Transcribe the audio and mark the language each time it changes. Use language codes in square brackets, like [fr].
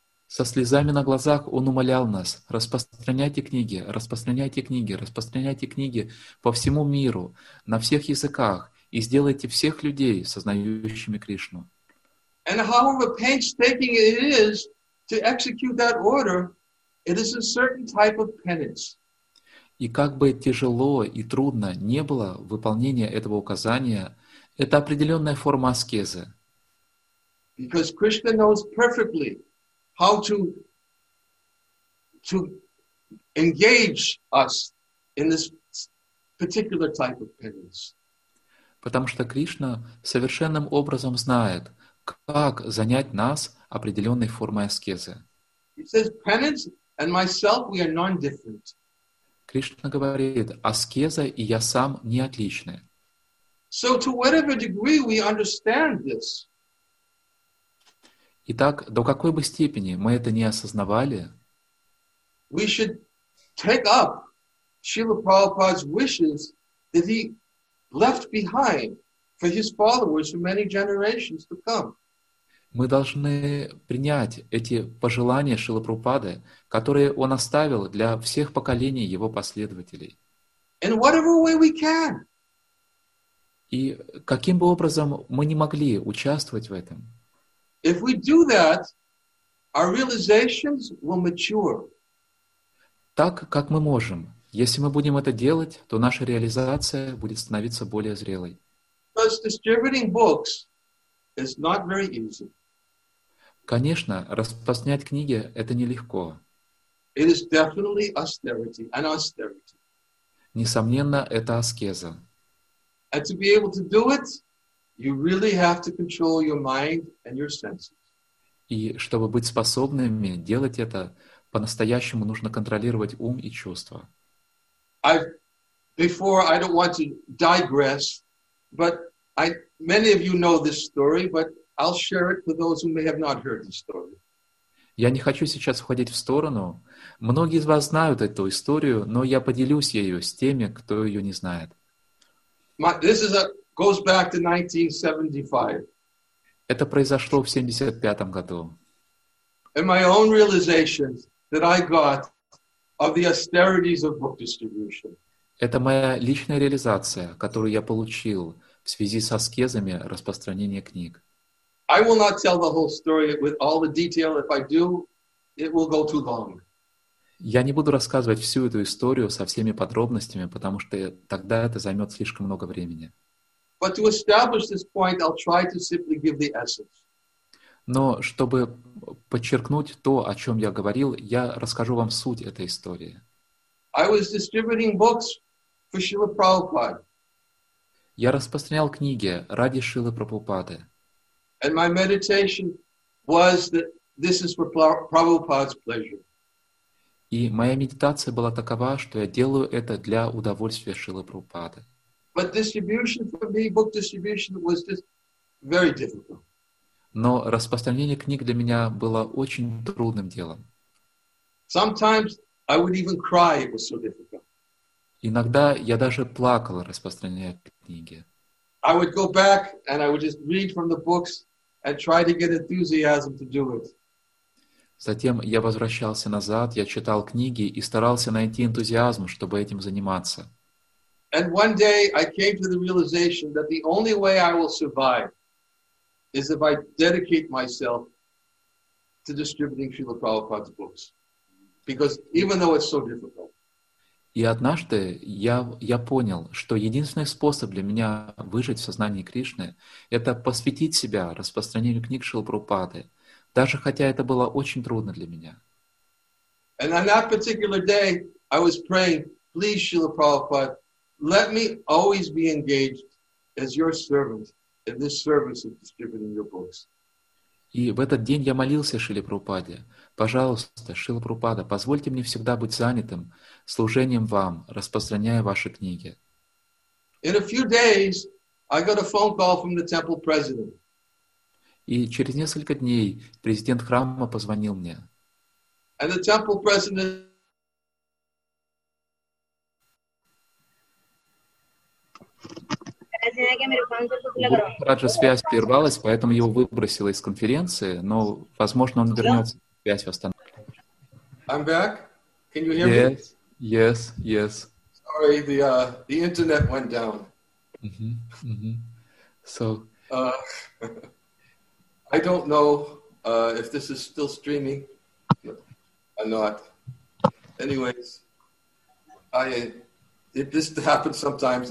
[ru] Со слезами на глазах он умолял нас: распространяйте книги, распространяйте книги, распространяйте книги по всему миру, на всех языках, и сделайте всех людей сознающими Кришну. [en] And however painstaking it is to execute that order, it is a certain type of penance. [ru] И как бы тяжело и трудно не было выполнение этого указания, это определенная форма аскезы. [en] Because Krishna knows perfectly how to engage us in this particular type of penance. [ru] Потому что Кришна совершенным образом знает, как занять нас определенной формой аскезы. [en] He says, penance and myself, we are non-different. [ru] Кришна говорит, аскеза и я сам не отличны. [en] So to whatever degree we understand this, [ru] итак, до какой бы степени мы это не осознавали, [en] we should take up Srila Prabhupada's wishes that he left behind for his followers for many generations to come. [ru] Мы должны принять эти пожелания Шрилы Прабхупады, которые он оставил для всех поколений его последователей. [en] In whatever way we can. [ru] И каким бы образом мы не могли участвовать в этом. [en] If we do that, our realizations will mature. [ru] Так, как мы можем. Если мы будем это делать, то наша реализация будет становиться более зрелой. [en] Because distributing books is not very easy. [ru] Конечно, распространять книги — это нелегко. [en] It is definitely austerity, an austerity. [ru] Несомненно, это аскеза. [en] And to be able to do it, you really have to control your mind and your senses. [ru] И чтобы быть способными делать это, по-настоящему нужно контролировать ум и чувства. [en] I don't want to digress, but many of you know this story, but I'll share it for those who may have not heard the story. [ru] Я не хочу сейчас уходить в сторону. Многие из вас знают эту историю, но я поделюсь ею с теми, кто ее не знает. [en] Goes back to 1975. [ru] Это произошло в 75 году. [en] And my own realizations that I got of the austerities of book distribution. [ru] Это моя личная реализация, которую я получил в связи с аскезами распространения книг. [en] I will not tell the whole story with all the detail. If I do, it will go too long. [ru] Я не буду рассказывать всю эту историю со всеми подробностями, потому что тогда это займет слишком много времени. [en] But to establish this point, I'll try to simply give the essence. [ru] Но чтобы подчеркнуть то, о чем я говорил, я расскажу вам суть этой истории. [en] I was distributing books for Srila Prabhupada. [ru] Я распространял книги ради Шрилы Прабхупады. [en] And my meditation was that this is for Prabhupada's pleasure. [ru] И моя медитация была такова, что я делаю это для удовольствия Шрилы Прабхупады. [en] But distribution for me, book distribution, was just very difficult. [ru] Но распространение книг для меня было очень трудным делом. [en] Sometimes I would even cry, it was so difficult. [ru] Иногда я даже плакал, распространяя книги. [en] I would go back and I would just read from the books and try to get enthusiasm to do it. [ru] Затем я возвращался назад, я читал книги и старался найти энтузиазм, чтобы этим заниматься. [en] And one day I came to the realization that the only way I will survive is if I dedicate myself to distributing Srila Prabhupada's books. Because even though it's so difficult. [ru] И однажды я понял, что единственный способ для меня выжить в сознании Кришны — это посвятить себя распространению книг Шрилы Прабхупады, даже хотя это было очень трудно для меня. [en] And on that particular day I was praying, please, Srila Prabhupada, let me always be engaged as your servant in this service of distributing your books. [ru] И в этот день я молился Шриле Прабхупаде: «Пожалуйста, Шрила Прабхупада, позвольте мне всегда быть занятым служением вам, распространяя ваши книги». [en] In a few days, I got a phone call from the temple president. [ru] И через несколько дней президент храма позвонил мне. [en] And the temple president [ru] Раджа связь прервалась, поэтому его выбросило из конференции, но, возможно, он вернется, связь восстановится. [en] I'm back. Can you hear yes, me? Yes, yes. Sorry, the internet went down. So, I don't know if this is still streaming or not. Anyways, this happens sometimes.